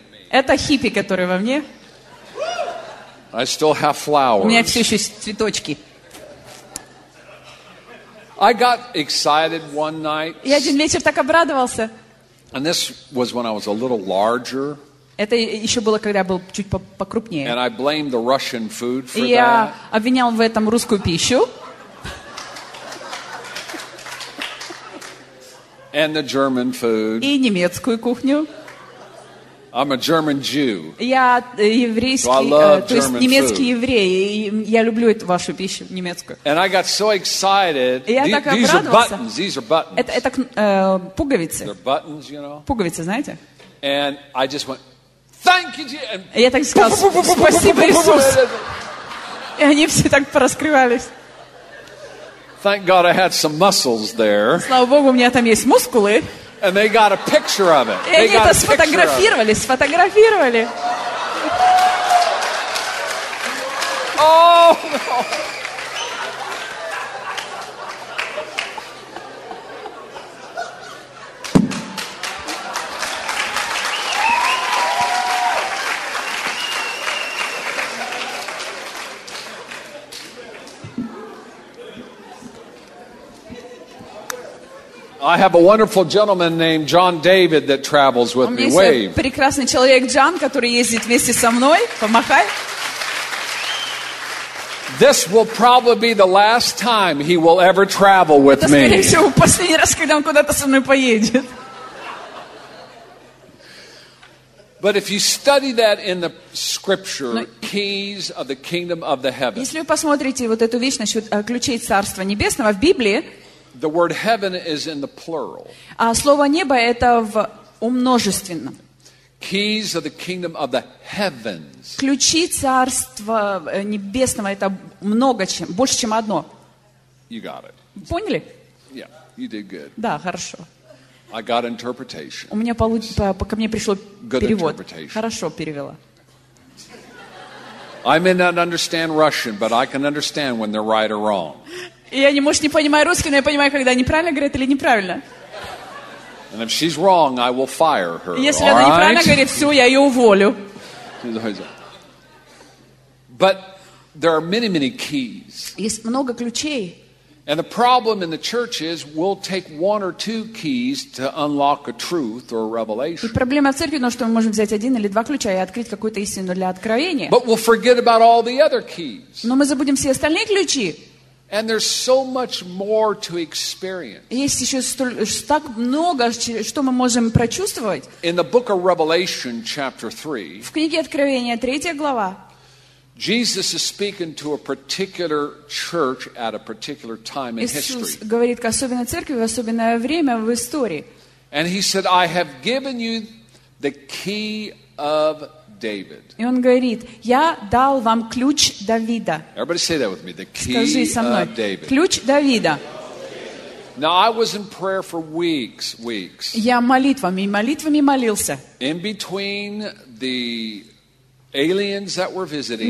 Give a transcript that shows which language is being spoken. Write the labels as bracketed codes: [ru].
[ru] Это хиппи, который во мне. [en] I still have flowers. [ru] У меня все еще цветочки. [en] I got excited one night. [ru] Я один вечер так обрадовался. [en] And this was when I was a little larger. [ru] Это еще было, когда я был чуть покрупнее. [en] And I blamed the Russian food for that. [ru] Я обвинял в этом русскую пищу. [en] And the German food. [ru] И немецкую кухню. [en] I'm a German Jew. [ru] Я еврейский, [en] so [ru] то есть немецкий еврей. Я люблю эту вашу пищу немецкую. [en] And I got so excited. [ru] Я так обрадовался. [en] These are buttons. These are buttons. [ru] Это пуговицы. [en] They're buttons, you know. [ru] Пуговицы, знаете? [en] And I just went, thank you, Jesus. [ru] Я так сказал, спасибо, Иисус. И они все так пораскрывались. [en] Thank God I had some muscles there. [ru] Слава Богу, у меня там есть мускулы. [en] And they got a picture of it. They got a picture of it. [ru] Сфотографировали. [en] Oh, no. I have a wonderful gentleman named John David that travels with me. Wave. [ru] Прекрасный человек Джон, который ездит вместе со мной. Помахай. [en] This will probably be the last time he will ever travel with me. [ru] Это, скорее всего, последний раз, когда он куда-то со мной поедет. [en] But if you study that in the scripture, keys of the kingdom of the heavens. [ru] Если вы посмотрите вот эту вещь насчет ключей Царства Небесного в Библии, [en] the word heaven is in the plural. [ru] А слово небо это в умножественном. [en] Keys of the kingdom of the heavens. [ru] Ключи царства небесного это много чем, больше чем одно. [en] You got it. [ru] Поняли? [en] Yeah, you did good. [ru] Да, хорошо. [en] I got interpretation. [ru] У меня ко мне пришел [en] good [ru] перевод. [en] Interpretation. [ru] Хорошо перевела. [en] I may not understand Russian, but I can understand when they're right or wrong. [ru] Я не, может, не понимаю русский, но я понимаю, когда неправильно говорят или неправильно. [en] And if she's wrong, I will fire her. [ru] Если она неправильно говорит, все, я ее уволю. [en] But there are many, many keys. [ru] Есть много ключей. [en] And the problem in the church is we'll take one or two keys to unlock a truth or a revelation. [ru] И проблема в церкви, но что мы можем взять один или два ключа и открыть какую-то истину для откровения. [en] But we'll forget about all the other keys. [ru] Но мы забудем все остальные ключи. [en] And there's so much more to experience. [ru] Есть еще так много, что мы можем прочувствовать. [en] In the book of Revelation, chapter 3. [ru] В книге Откровения, 3 глава. [en] Jesus is speaking to a particular church at a particular time in history. [ru] Иисус говорит к особенной церкви в особенное время в истории. [en] And he said, "I have given you the key of David." [ru] И он говорит, я дал вам ключ Давида. [en] Everybody say that with me. The key [ru] Скажи со мной. [en] Of David. [ru] Ключ Давида. [en] Now I was in prayer for weeks, weeks. [ru] Я молитвами, молитвами молился. [en] In between the aliens that were visiting.